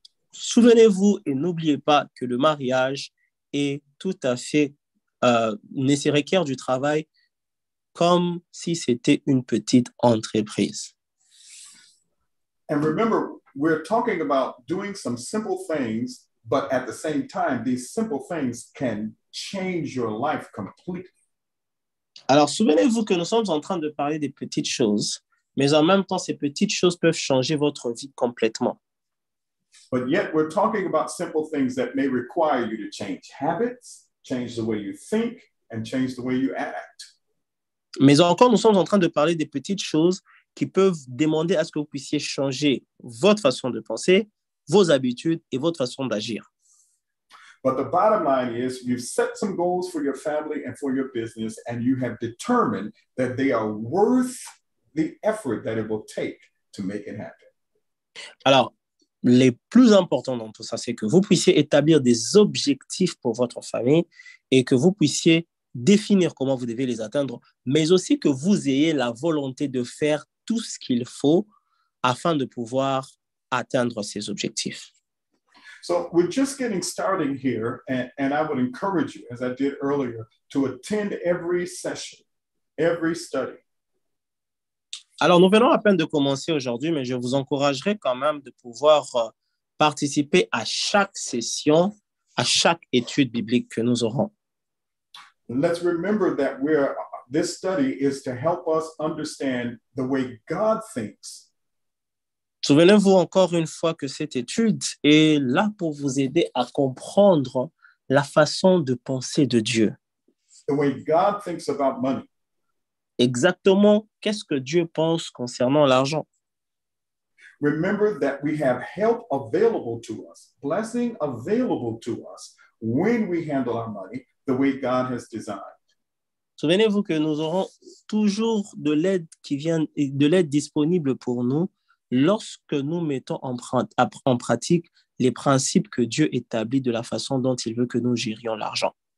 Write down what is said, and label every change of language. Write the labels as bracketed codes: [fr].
[fr] Souvenez-vous et n'oubliez pas que le mariage est tout à fait nécessaire du travail comme si c'était une petite entreprise. [en] And remember, we're talking about doing some simple things, but at the same time, these simple things can change your life completely. [fr] Alors, souvenez-vous que nous sommes en train de parler des petites choses, mais en même temps, ces petites choses peuvent changer votre vie complètement. [en] But yet, we're talking about simple things that may require you to change habits, change the way you think, and change the way you act. [fr] Mais encore, nous sommes en train de parler des petites choses qui peuvent demander à ce que vous puissiez changer votre façon de penser, vos habitudes et votre façon d'agir. [en] But the bottom line is, you've set some goals for your family and for your business, and you have determined that they are worth the effort that it will take to make it happen. [fr] Alors, les plus importants dans tout ça, c'est que vous puissiez établir des objectifs pour votre famille et que vous puissiez définir comment vous devez les atteindre, mais aussi que vous ayez la volonté de faire tout ce qu'il faut afin de pouvoir atteindre ces objectifs. [en] So we're just getting started here, and I would encourage you, as I did earlier, to attend every session, every study. [fr] Alors, nous venons à peine de commencer aujourd'hui, mais je vous encouragerai quand même de pouvoir participer à chaque session, à chaque étude biblique que nous aurons. [en] Let's remember that this study is to help us understand the way God thinks. [fr] Souvenez-vous encore une fois que cette étude est là pour vous aider à comprendre la façon de penser de Dieu. [en] The way God thinks about money. [fr] Exactement, qu'est-ce que Dieu pense concernant l'argent? [en] Remember that we have help available to us, blessing available to us when we handle our money the way God has designed. [fr] Souvenez-vous que nous aurons toujours de l'aide qui vient, de l'aide disponible pour nous lorsque nous mettons en pratique les principes que Dieu établit de la façon dont il veut que nous gérions l'argent.